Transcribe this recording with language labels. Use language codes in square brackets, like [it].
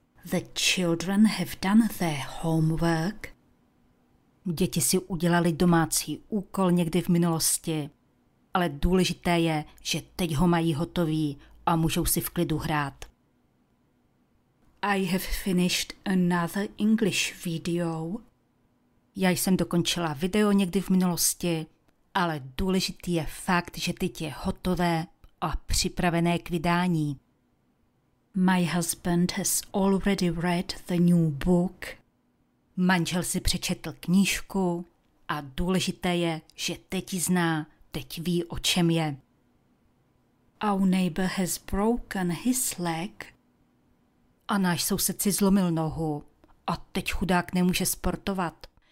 [en] The children have done their homework. [cs] Děti si udělali domácí úkol někdy v minulosti, ale důležité je, že teď ho mají hotový a můžou si v klidu hrát. [en] I have finished another English video. [cs] Já jsem dokončila video někdy v minulosti, ale důležitý je fakt, že teď je hotové a připravené k vydání. [en] My husband has already read the new book. [cs] Manžel si přečetl knížku a důležité je, že teď ji zná, teď ví, o čem je. [en] Our neighbor has broken his leg. [cs] A náš soused si zlomil nohu a teď chudák nemůže sportovat.